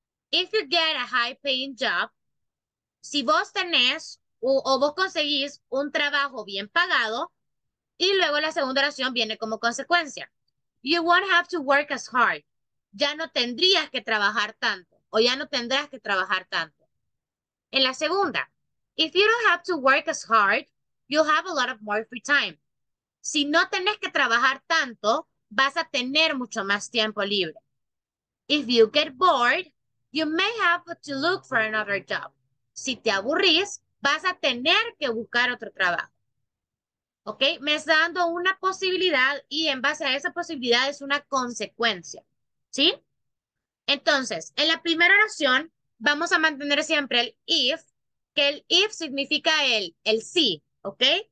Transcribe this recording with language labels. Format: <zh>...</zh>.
<es>If you get a high paying job, si vos tenés o vos conseguís un trabajo bien pagado, y luego la segunda oración viene como consecuencia.</es> <en>You won't have to work as hard.</en> <es>Ya no tendrías que trabajar tanto, o ya no tendrás que trabajar tanto.</es> <en>En la segunda, if you don't have to work as hard, you'll have a lot of more free time.</en> <es>Si no tenés que trabajar tanto, vas a tener mucho más tiempo libre.</es> <en>If you get bored, you may have to look for another job.</en> <es>Si te aburrís, vas a tener que buscar otro trabajo. ¿Ok? Me está dando una posibilidad y en base a esa posibilidad es una consecuencia. ¿Sí? Entonces, en la primera oración vamos a mantener siempre el if, que el if significa el sí. ¿Ok?</es>